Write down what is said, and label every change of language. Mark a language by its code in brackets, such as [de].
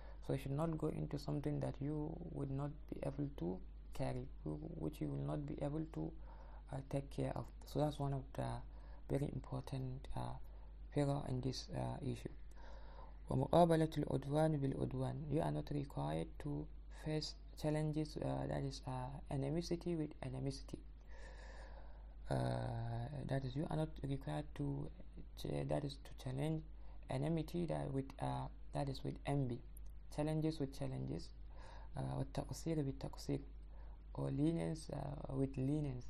[en] So you should not go into something that you would not be able to carry, which you will not be able to take care of. So that's one of the very important figure in this issue. [ar] ومقابلة العدوان بالعدوان. [en] You are not required to face challenges that is enmity with enmity. That is, you are not required to that is to challenge enmity that with envy. challenges with challenges, [ar] والتقصير بالتقصير, [en] or lenience with lenience.